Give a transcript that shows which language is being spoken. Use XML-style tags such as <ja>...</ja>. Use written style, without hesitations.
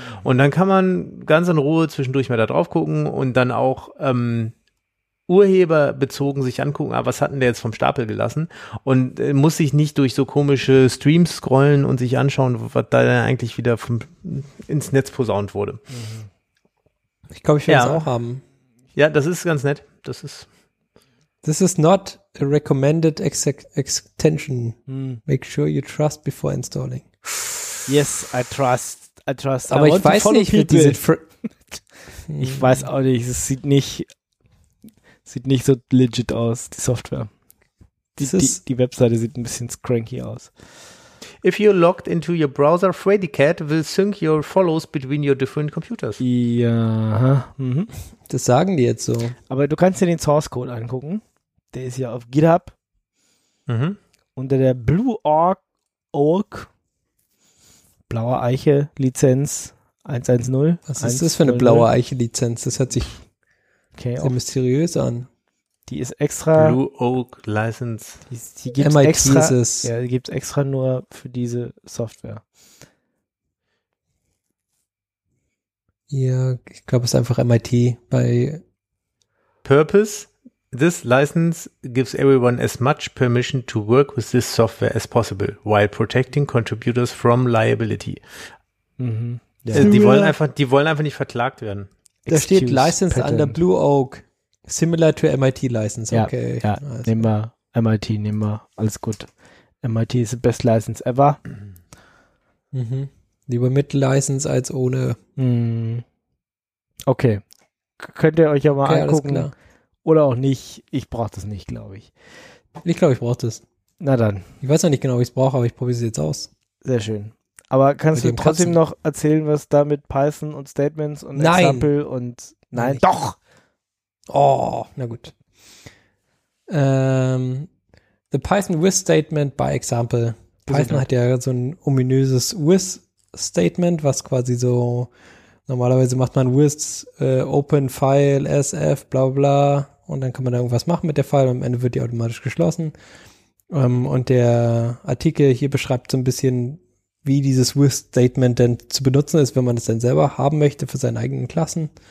<de>Und dann kann man ganz in Ruhe zwischendurch mal da drauf gucken und dann auch urheberbezogen sich angucken, was hat denn der jetzt vom Stapel gelassen? Und muss sich nicht durch so komische Streams scrollen und sich anschauen, was da denn eigentlich wieder ins Netz posaunt wurde. Ich glaube, ich werde es auch haben. Ja, das ist ganz nett. Das ist.</de> <en>This is not a recommended extension. Make sure you trust before installing. Yes, I trust. I trust.</en> <de>Aber ich weiß nicht, wie diese. Ich weiß auch nicht. Es sieht nicht so legit aus, die Software. Die Webseite sieht ein bisschen cranky aus.</de> <en>If you're logged into your browser, FreddyCat will sync your follows between your different computers.</en> <de>Ja. Das sagen die jetzt so. Aber du kannst dir den Source-Code angucken. der ist ja auf GitHub. Mhm. Unter der Blue Orc Blaue Eiche Lizenz 110. Was ist das für eine Blaue Eiche Lizenz? Das hört sich sehr mysteriös an. Die ist extra.</de> <en>Blue Oak License.</en> <de>Die gibt es extra. Ja, die gibt es extra nur für diese Software. Ja, ich glaube, es ist einfach MIT bei.</de> <en>Purpose. This license gives everyone as much permission to work with this software as possible, while protecting contributors from liability. Mhm.</en> <de>Ja. Die wollen einfach nicht verklagt werden. Da Excuse steht License patent.</de> <en>Under Blue Oak. Similar to MIT license, okay.</en> <de>Ja, ja. Also. Nehmen wir MIT, nehmen wir. Alles gut. MIT ist</de> <en>the best license ever. Mhm.</en> <de>Lieber mit License als ohne. Mhm. Okay. Könnt ihr euch ja mal angucken. Alles klar. Oder auch nicht. Ich brauche das nicht, glaube ich. Ich glaube, ich brauche das. Na dann. Ich weiß noch nicht genau, ob ich es brauche, aber ich probiere es jetzt aus. Sehr schön. Aber kannst du trotzdem noch erzählen, was da mit Python und Statements und Example und... Nein. Doch! Oh, na gut.</de> <en>The Python with Statement by Example.</en> <de>Python hat ja so ein ominöses with Statement, was quasi so... Normalerweise macht man with open file sf bla bla und dann kann man da irgendwas machen mit der File und am Ende wird die automatisch geschlossen. Und der Artikel hier beschreibt so ein bisschen, wie dieses with-Statement denn zu benutzen ist, wenn man es dann selber haben möchte für seine eigenen Klassen.</de>